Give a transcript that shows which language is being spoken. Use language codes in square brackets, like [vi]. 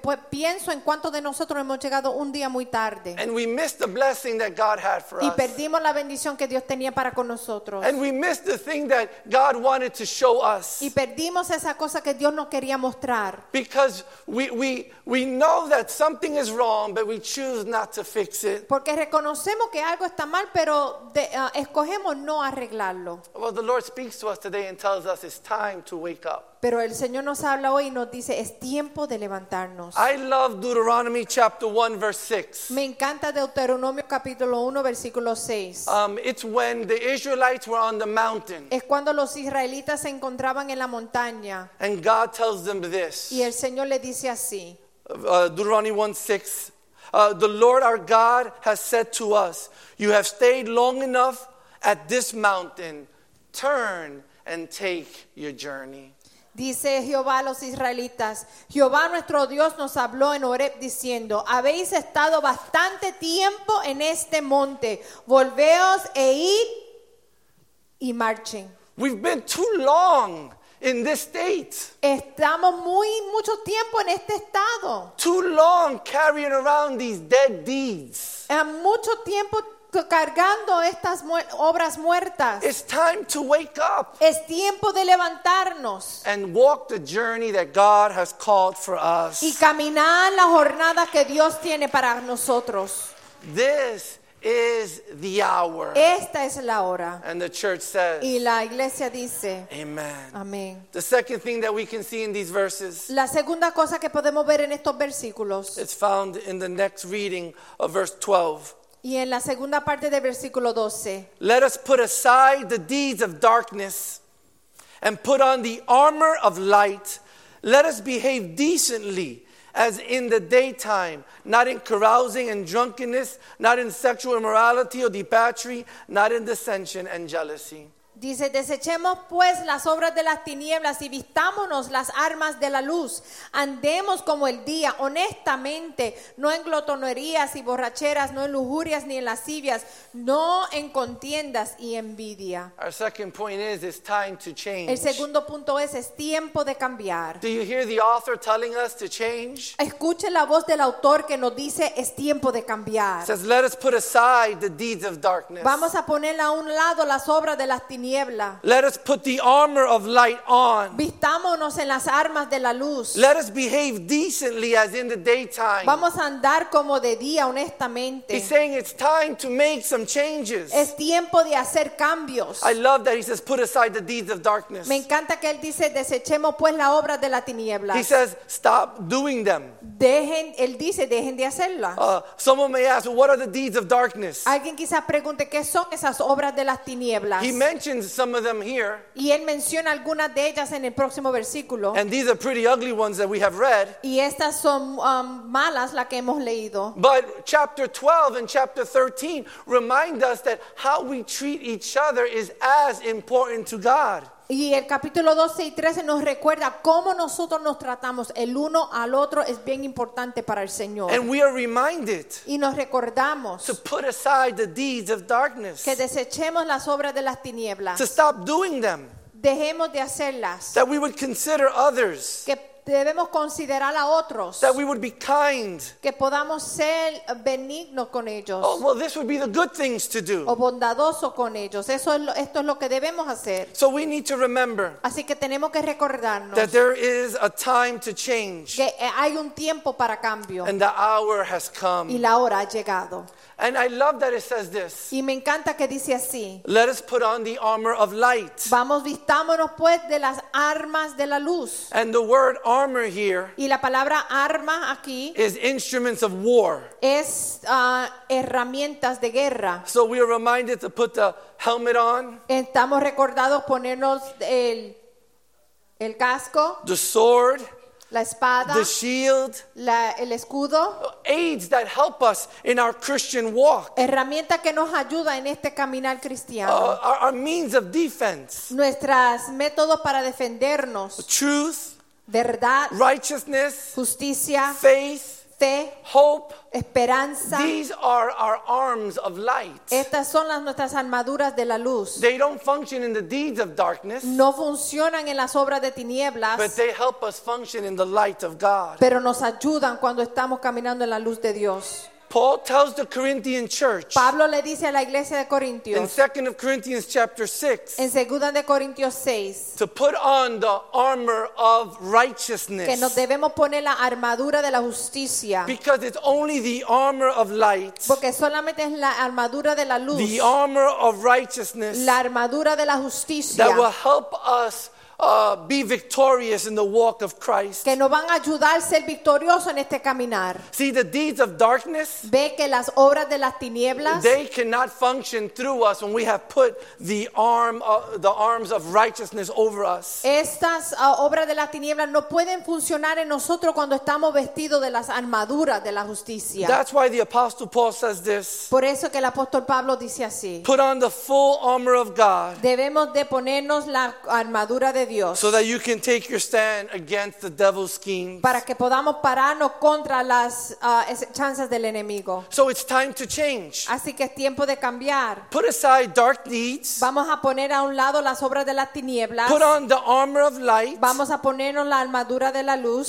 [es] Pienso en cuánto de nosotros hemos llegado un día muy tarde. [en] And we missed the blessing that God had for us. [es] Y perdimos la bendición que Dios tenía para con nosotros. [en] And we missed the thing that God wanted to show us. [es] Y perdimos esa cosa que Dios nos quería mostrar. [en] Because we know that something is wrong, but we choose not to fix it. [es] Porque reconocemos que algo está mal, pero escogemos no arreglarlo. [en] Well, the Lord speaks to us today and tells us it's time to wake up. [es] Pero el Señor nos habla hoy y nos dice, es tiempo de levantarnos. [en] I love Deuteronomy chapter 1, verse 6. [es] Me encanta Deuteronomio capítulo 1, versículo 6. [en] It's when the Israelites were on the mountain. [es] Es cuando los israelitas se encontraban en la montaña. [en] And God tells them this. [es] Y el Señor le dice así. [en] Deuteronomy 1, 6. The Lord our God has said to us, you have stayed long enough at this mountain. Turn and take your journey. [es] Dice Jehová a los israelitas, Jehová nuestro Dios nos habló en Horeb diciendo, habéis estado bastante tiempo en este monte, volveos e id y marchen. [en] We've been too long in this state. [es] Estamos mucho tiempo en este estado. [en] Too long carrying around these dead deeds. [es] Mucho tiempo cargando estas obras muertas. [en] It's time to wake up. [es] Es tiempo de levantarnos. [en] And walk the journey that God has called for us. [es] Y caminar la jornada que Dios tiene para nosotros. [en] This is the hour. [es] Esta es la hora. [en] And the church says. [es] Y la iglesia dice. [en] Amen. [es] Amén. [en] The second thing that we can see in these verses. [es] La segunda cosa que podemos ver en estos versículos. [en] It's found in the next reading of verse 12. [es] Y en la segunda parte de versículo 12. [en] Let us put aside the deeds of darkness and put on the armor of light. Let us behave decently as in the daytime, not in carousing and drunkenness, not in sexual immorality or debauchery, not in dissension and jealousy. [es] Dice, desechemos pues las obras de las tinieblas y vistámonos las armas de la luz. Andemos como el día, honestamente, no en glotonerías y borracheras, no en lujurias ni en lascivias, no en contiendas y envidia. [en] Our second point is, it's time to change. [es] El segundo punto es tiempo de cambiar. [en] Do you hear the author telling us to change? [es] Escuche la voz del autor que nos dice, es tiempo de cambiar. [en] It says, let us put aside the deeds of darkness. [es] Vamos a poner a un lado las obras de las tinieblas. tiniebla. [en] Let us put the armor of light on. [es] Vistámonos en las armas de la luz. [en] Let us behave decently as in the daytime. [es] Vamos a andar como de día, honestamente. [en] He's saying it's time to make some changes. [es] Es tiempo de hacer cambios. [en] I love that he says, put aside the deeds of darkness. [es] Me encanta que él dice, desechemos pues la obra de la tiniebla. [en] He says, stop doing them. [es] Dejen, él dice, dejen de hacerla. [en] Someone may ask, what are the deeds of darkness? [es] Alguien quizás pregunte, ¿qué son esas obras de las tinieblas? [en] He mentions some of them here. [es] Y él menciona algunas de ellas en el próximo versículo. [en] And these are pretty ugly ones that we have read. [es] Y estas son malas las que hemos leído. [en] But chapter 12 and chapter 13 remind us that how we treat each other is as important to God. [es] Y el capítulo 12 y 13 nos recuerda cómo nosotros nos tratamos el uno al otro es bien importante para el Señor. [en] And we are reminded [es] y nos recordamos [en] to put aside the deeds of darkness, [es] que desechemos las obras de las tinieblas, [en] to stop doing them, [es] dejemos de hacerlas, [en] that we would consider others, [es] que debemos considerar a otros, [en] that we would be kind, [es] que podamos ser benignos con ellos. [en] Oh, well, this would be the good things to do. [es] O bondadoso con ellos. Eso es lo, esto es lo que debemos hacer. [en] So we need to remember. [es] Así que tenemos que recordarnos. [en] That there is a time to change. [es] Que hay un tiempo para cambio. [en] And the hour has come. [es] Y la hora ha llegado. [en] And I love that it says this. [es] Y me encanta que dice así. [en] Let us put on the armor of light. [es] Vamos, vistámonos pues de las armas de la luz. [en] And the word armor here. [es] Y la palabra arma aquí. [en] Is instruments of war. [es] Es herramientas de guerra. [en] So we are reminded to put the helmet on. [es] Estamos recordados ponernos el casco. [en] The sword. [es] La espada, [en] the shield, [es] el escudo, [en] aids that help us in our Christian walk. [es] Herramienta que nos ayuda en este caminar cristiano. [en] Our means of defense. [es] Nuestros métodos para defendernos. [en] Truth. [es] Verdad. [en] Righteousness. [es] Justicia. [en] Faith. [es] Fe. [en] Hope. [es] Esperanza. [en] These are our arms of light. [es] Estas son las nuestras armaduras de la luz. [en] They don't function in the deeds of darkness. [es] No funcionan en las obras de tinieblas. [en] But they help us function in the light of God. [es] Pero nos ayudan cuando estamos caminando en la luz de Dios. [en] Paul tells the Corinthian church. [es] Pablo le dice a la iglesia de Corintios. [en] In 2 Corinthians chapter 6. [es] En 2 de Corintios 6. [en] To put on the armor of righteousness. [es] Que nos debemos poner la armadura de la justicia. [en] Because it's only the armor of light. [es] Porque solamente es la armadura de la luz. [en] The armor of righteousness. [es] La armadura de la justicia. [en] That will help us be victorious in the walk of Christ. [es] Que nos van a ayudar a ser victoriosos en este caminar. [en] See the deeds of darkness. [es] Ve que las obras de las tinieblas. [en] They cannot function through us when we have put the arms of righteousness over us. [es] Estas obras de las tinieblas no pueden funcionar en nosotros cuando estamos vestidos de las armaduras de la justicia. [en] That's why the apostle Paul says this. [es] Por eso que el apóstol Pablo dice así. [en] Put on the full armor of God. [es] Debemos de ponernos la armadura de Dios. [en] So that you can take your stand against the devil's schemes. [es] Para que podamos pararnos contra las chances del enemigo. [en] So it's time to change. [es] Así que es tiempo de cambiar. [en] Put aside dark deeds. [es] Vamos a poner a un lado las obras de las tinieblas. [en] Put on the armor of light. [es] Vamos a ponernos la armadura de la luz.